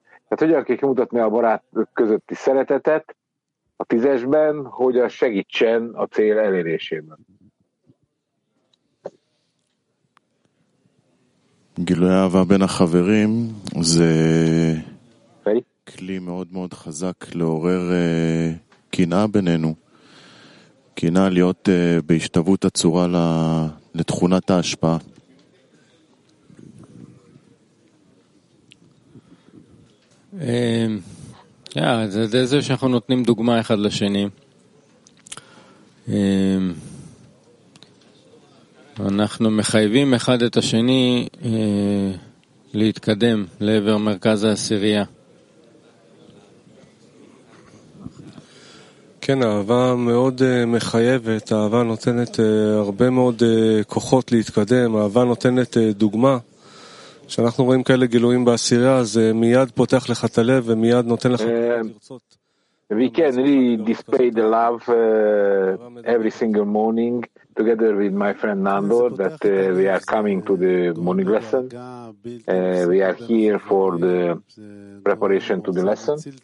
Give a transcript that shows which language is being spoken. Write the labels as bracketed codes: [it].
[hu] Tehát hogyan kell kimutatni a barátok közötti szeretetet a tízesben, hogy a segítsen a cél elérésében. [he] גילוי אהבה בין החברים זה כלי מאוד מאוד חזק לעורר קנאה בינינו. קנאה להיות בהשתוות הצורה לתכונת ההשפעה. זה זה שאנחנו נותנים דוגמה אחד לשני. אנחנו מחייבים אחד את השני להתקדם לעבר מרכז העשירייה. כן, אהבה מאוד מחייבת, אהבה נותנת הרבה מאוד כוחות להתקדם, אהבה נותנת דוגמה. כשאנחנו רואים כאלה גילויים בעשירייה, זה מיד פותח לך את הלב ומיד נותן לך לרצות. [en] We can really display the love every single morning together with my friend Nando, that we are coming to the morning lesson. We are here for the preparation to the lesson.